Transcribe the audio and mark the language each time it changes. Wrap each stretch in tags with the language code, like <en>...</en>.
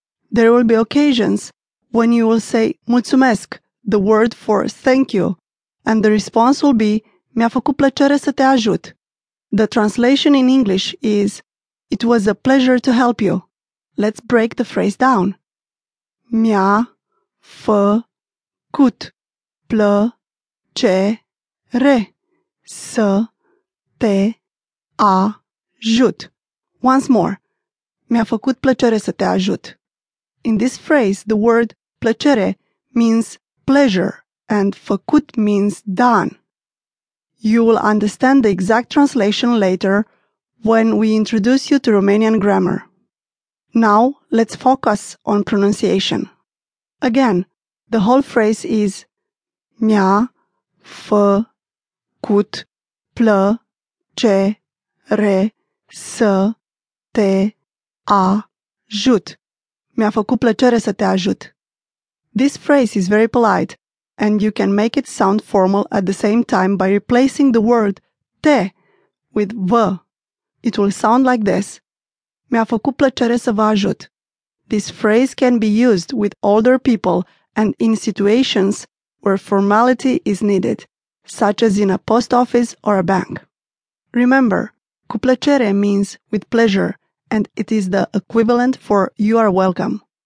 <en>There will be occasions when you will say mulțumesc, the word for thank you, and the response will be</en> <ro>mi-a făcut plăcere să te ajut.</ro> <en>The translation in English is it was a pleasure to help you. Let's break the phrase down.</en> <ro>Mi-a făcut plăcere să te ajut.</ro> <en>Once more.</en> <ro>Mi-a făcut plăcere să te ajut.</ro> <en>In this phrase, the word plăcere means pleasure and făcut means done. You will understand the exact translation later when we introduce you to Romanian grammar. Now, let's focus on pronunciation. Again, the whole phrase is</en> <ro>mi-a făcut plăcere să te ajut. Mi-a făcut plăcere să te ajut.</ro> <en>This phrase is very polite, and you can make it sound formal at the same time by replacing the word te with v. It will sound like this.</en> <ro>Mi-a făcut plăcere să vă ajut.</ro> <en>This phrase can be used with older people and in situations where formality is needed, such as in a post office or a bank. Remember,</en> <ro>cu plăcere</ro> <en>means with pleasure, and it is the equivalent for you are welcome.</en>